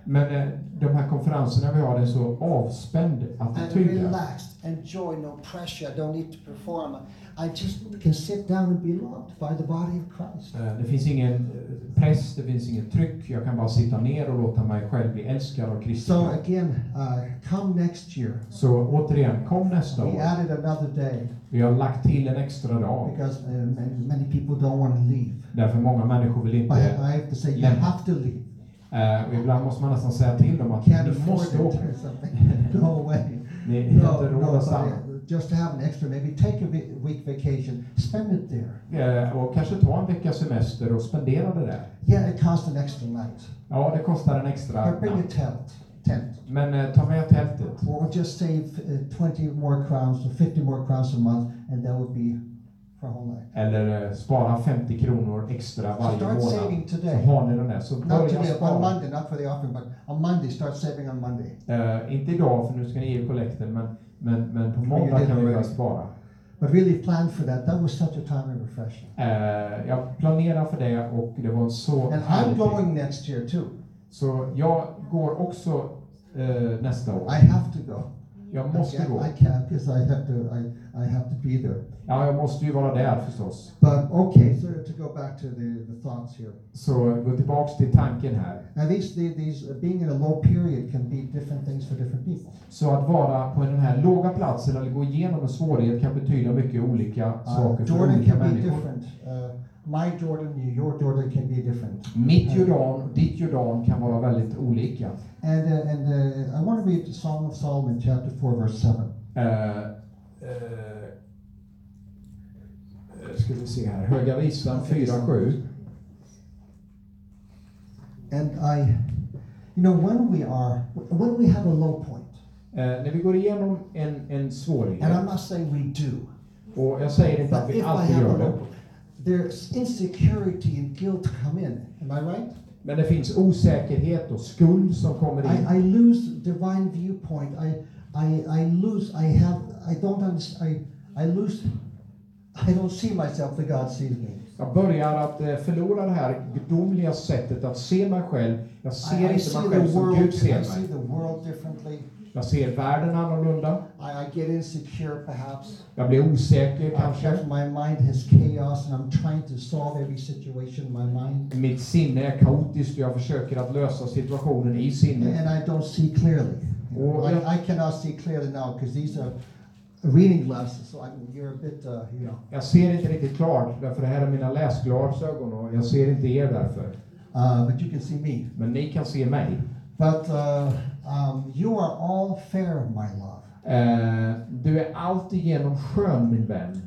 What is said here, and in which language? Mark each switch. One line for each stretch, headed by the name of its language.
Swedish: Men de här konferenserna vi har, det är så avspänd attityd.
English: And relaxed, enjoy, no pressure, don't need to perform. I just can sit down and be loved by the body of Christ.
Swedish: Det finns ingen press, det finns ingen tryck. Jag kan bara sitta ner och låta mig själv bli älskad av Kristus.
English: So again, come next year.
Swedish: Så återigen, kom nästa år.
English: We added another day.
Swedish: Vi har lagt till en extra dag.
English: Because many people don't want to leave.
Swedish: Därför många människor vill inte.
English: But I have to say, you have to leave.
Swedish: Och ibland måste man nästan säga till dem att ni måste åka.
English: No way.
Swedish: Ni inte råd att stanna.
English: Just to have an extra, maybe take a week vacation, spend it there.
Swedish: Yeah, och kanske ta en vecka semester och spendera det där.
English: Yeah, it costs an extra night.
Swedish: Ja, det kostar en extra natt.
English: Bring a tent.
Swedish: Men ta med tältet.
English: Or just save 20 more crowns or 50 more crowns a month, and that would be for a whole night.
Swedish: Eller spara 50 kronor extra varje
English: start
Swedish: månad.
English: Start saving today.
Swedish: Så har ni den där. Så
English: not today,
Swedish: spara.
English: On Monday, not for the offering, but on Monday, start saving on Monday.
Swedish: Inte idag, för nu ska ni ge kollekten, men på måndag kan vi börja spara.
English: But really planned for that. That was such a time of refreshing.
Swedish: Jag planerar för det och det var så.
English: And I'm going next year too.
Swedish: Så jag går också nästa år.
English: I have to go.
Swedish: Jag måste gå.
English: I can't because I have to. I have to be there.
Swedish: Ja, jag måste ju vara där förstås.
English: But okay, so to go back to the thoughts here.
Swedish: Så gå tillbaks till tanken här.
English: Now these being in a low period can be different things for different people.
Swedish: Så att vara på den här låga platsen eller gå igenom en svårighet kan betyda mycket olika saker för olika
English: can
Swedish: människor.
English: Be different. My Jordan, your Jordan can be different.
Swedish: Mitt Jordan, ditt Jordan kan vara väldigt olika.
English: And I want to read the Song of Solomon chapter 4 verse 7.
Swedish: Ska vi se här. Höga visan 4:7.
English: And I you know when we are when we have a low point.
Swedish: När vi går igenom en svårighet.
English: And I must say we do.
Swedish: Och jag säger inte att vi alltid gör det.
English: There's insecurity and guilt come in. Am I right?
Swedish: Men det finns osäkerhet och skuld som kommer in.
English: I lose divine viewpoint. I don't see myself the God sees me.
Swedish: Jag börjar att förlora det här gudomliga sättet att se mig själv. Jag ser inte mig själv som Gud ser mig.
English: I see the world differently.
Swedish: Jag ser världen annorlunda.
English: I get insecure, perhaps.
Swedish: Jag blir osäker kanske.
English: My mind has chaos and I'm trying to solve every situation in my mind.
Swedish: Mitt sinne är kaotiskt och jag försöker att lösa situationen i sinnet.
English: And I don't see clearly. I cannot see clearly now because these are reading glasses, so you're a bit,
Swedish: Jag ser inte riktigt klart därför det här är mina läsglasögon och jag ser inte er därför.
English: But you can see me.
Swedish: Men ni kan se mig.
English: But you are all fair, my love.
Swedish: Du är alltigenom skön, min vän.